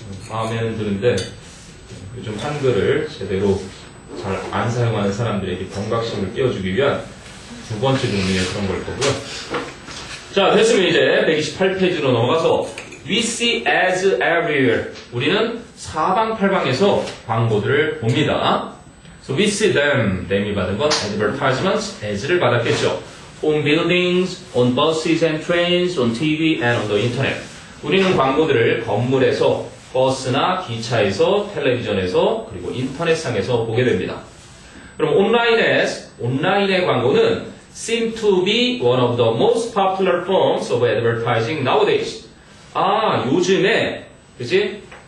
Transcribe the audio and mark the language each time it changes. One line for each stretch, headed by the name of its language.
Korean: 마음에는 드는데 요즘 한글을 제대로 잘 안 사용하는 사람들에게 경각심을 띄워주기 위한 두 번째 종류의 그런 걸 거고요. 자, 됐으면 이제 128페이지로 넘어가서
English: We see as everywhere.
Korean: 우리는 사방팔방에서 광고들을 봅니다.
English: So we see them.
Korean: them이 받은 건 advertisements, as를 받았겠죠.
English: On buildings, on buses and trains, on TV and on the internet.
Korean: 우리는 광고들을 건물에서, 버스나 기차에서, 텔레비전에서, 그리고 인터넷상에서 보게 됩니다. 그럼 온라인의 광고는
English: seem to be one of the most popular forms of advertising nowadays.
Korean: 아, 요즘에, 그지?